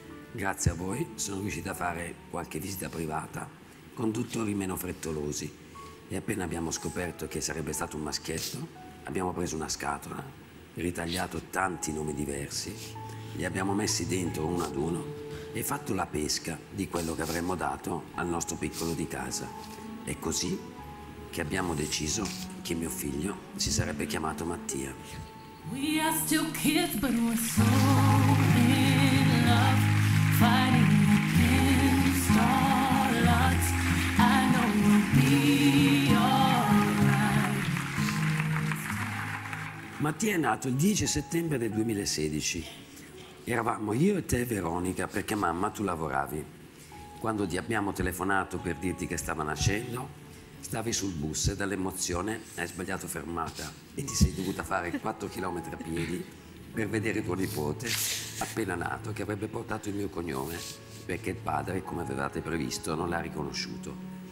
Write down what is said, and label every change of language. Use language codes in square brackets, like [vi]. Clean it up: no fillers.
[it] Grazie a voi sono riuscita a fare qualche visita privata con dottori meno frettolosi e appena abbiamo scoperto che sarebbe stato un maschietto, abbiamo preso una scatola, ritagliato tanti nomi diversi, li abbiamo messi dentro uno ad uno e fatto la pesca di quello che avremmo dato al nostro piccolo di casa. E così che abbiamo deciso che mio figlio si sarebbe chiamato Mattia. [en] We are still kids, but we're so in love, fighting against all odds. I know we'll be alright. [it] Mattia è nato il 10 settembre del 2016. Eravamo io e te, Veronica, perché mamma tu lavoravi. Quando ti abbiamo telefonato per dirti che stava nascendo, stavi sul bus e dall'emozione hai sbagliato fermata e ti sei dovuta fare 4 km a piedi per vedere tuo nipote appena nato, che avrebbe portato il mio cognome perché il padre, come avevate previsto, non l'ha riconosciuto.